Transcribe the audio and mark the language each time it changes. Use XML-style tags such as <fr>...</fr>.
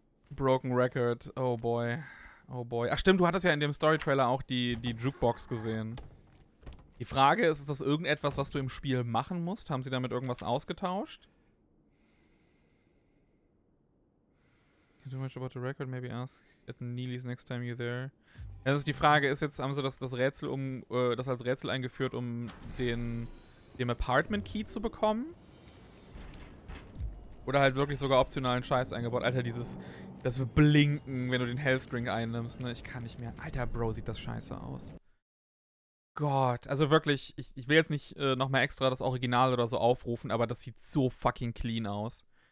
<de>Broken Record, oh boy. Oh boy. Ach stimmt, du hattest ja in dem Story-Trailer auch die Jukebox gesehen. Die Frage ist das irgendetwas, was du im Spiel machen musst? Haben sie damit irgendwas ausgetauscht?</de> <en>Too much about the record, maybe ask at Neely's next time you're there.</en> <de>Das ist die Frage, ist jetzt, haben sie das als Rätsel eingeführt, um dem Apartment Key zu bekommen? Oder halt wirklich sogar optionalen Scheiß eingebaut? Alter, das Blinken, wenn du den Health Drink einnimmst, ne? Ich kann nicht mehr. Alter, Bro, sieht das scheiße aus. Gott, also wirklich, ich will jetzt nicht nochmal extra das Original oder so aufrufen, aber das sieht so fucking clean aus.</de>